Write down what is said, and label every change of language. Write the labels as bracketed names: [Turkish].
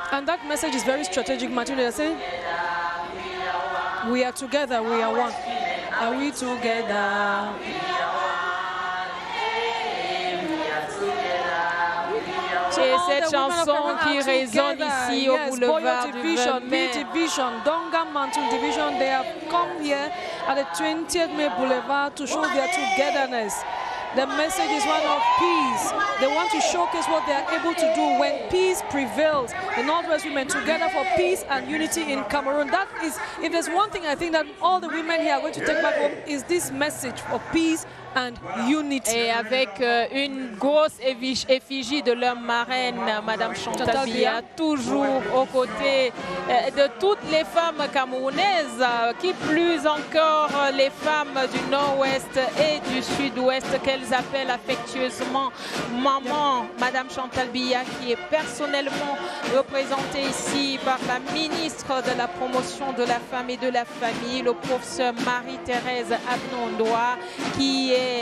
[English] And that message is very strategic, Martin. We are together, we are one. Are we together? We are one. [French] Et cette chanson qui résonne ici au boulevard du [English] Division, B-Division, Donga Mantle Division, they have come here at the 20th May Boulevard to show their togetherness. The message is one of peace. They want to showcase what they are able to do when peace prevails. The Northwest women together for peace and unity in Cameroon. That is, if there's one thing I think that all the women here are going to take back home, is this message of peace and unity. [French] Et avec une grosse effigie de leur marraine, Madame Chantal Biya, toujours aux côtés de toutes les femmes camerounaises, qui plus encore les femmes du Nord-Ouest et du Sud-Ouest, qu'elles appellent affectueusement maman, Madame Chantal Biya, qui est personnellement représentée ici par la ministre de la Promotion de la Femme et de la Famille, le professeur Marie-Thérèse Abnondoa, qui est